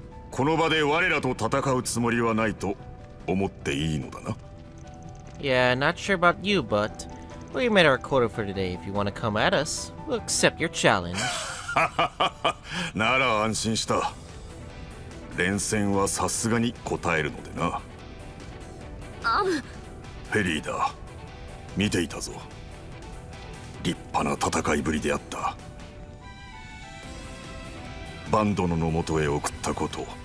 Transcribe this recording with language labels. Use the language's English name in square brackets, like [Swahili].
[Japanese] この場で我らと戦うつもりはないと思っていいのだな? [English] Yeah, not sure about you, but we met our quota for today. If you want to come at us, we'll accept your challenge. [Japanese] なら安心した。連戦はさすがに答えるのでな。フェリーだ。見ていたぞ。立派な戦いぶりであった。バンドノのもとへ送ったこと、